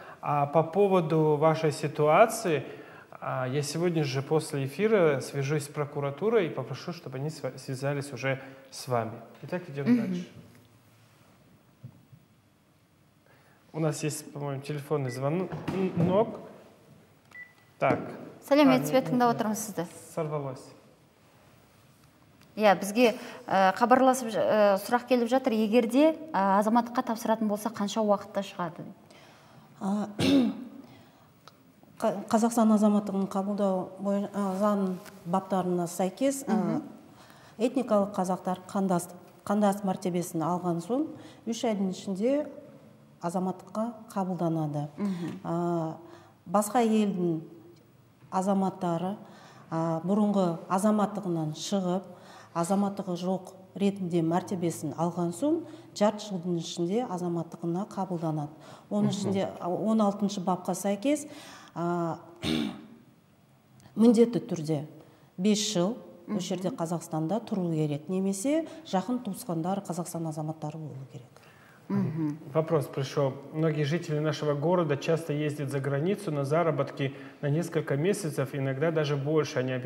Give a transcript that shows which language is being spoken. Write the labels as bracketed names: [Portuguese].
[Russian] А по поводу вашей ситуации... Я сегодня же после эфира свяжусь с прокуратурой и попрошу, чтобы они связались уже с вами. Итак, идем дальше. У нас есть, по-моему, телефонный звонок. Так. Салем, я тебе тогда утром сюда. Сорвалось. [Kazakh] Я бізге хабарласып сұрақ келіп жатыр. Егер де азаматқа тапсыратын болса, қанша уақытта шығады? Қазақстан азаматтығын қабылдау заң баптарына сәйкес этникалық қазақтар қандас мәртебесін алған соң 3 айдың ішінде азаматтыққа қабылданады. Басқа елдің азаматтары бұрынғы азаматтығынан шығып, азаматтығы жоқ ретінде мәртебесін алған соң 4 жылдың ішінде азаматтығына қабылданады. Оның ішінде 16-шы бапқа сәйкес міндетті түрде 5 жыл осы жерде Қазақстанда тұру керек, немесе жақын туысқандар Қазақстан азаматтары болу керек. [Russian] Вопрос пришел. Многие жители нашего города часто ездят за границу на заработки на несколько месяцев, иногда даже больше.